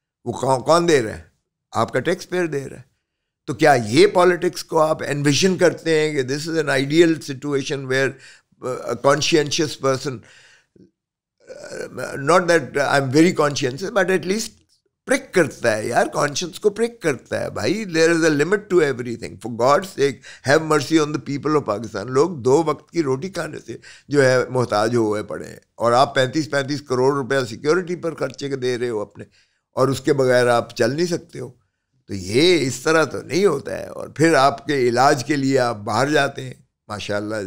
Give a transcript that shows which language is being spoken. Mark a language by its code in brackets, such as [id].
[ur] وہ کون دے رہے ہیں؟ آپ کا ٹیکس پیئر دے رہے ہیں. تو کیا یہ پالیٹکس کو آپ انویژن کرتے ہیں کہ [en] this is an ideal situation where conscientious person, not that I am very conscientious, but at least [ur] پرک کرتا ہے یار, کانشینس کو پرک کرتا ہے بھائی. [en] There is a limit to everything, for God sake have mercy on the people of Pakistan. [ur] لوگ دو وقت کی روٹی کھانے سے جو ہے محتاج ہوئے پڑے ہیں, اور آپ 35-35 crore روپیہ سیکیورٹی پر خرچے کے دے رہے ہو اپنے, اور اس کے بغیر آپ چل نہیں سکتے ہو. تو یہ اس طرح تو نہیں ہوتا ہے. اور پھر آپ کے علاج کے لیے آپ باہر جاتے ہیں, ماشاء اللہ.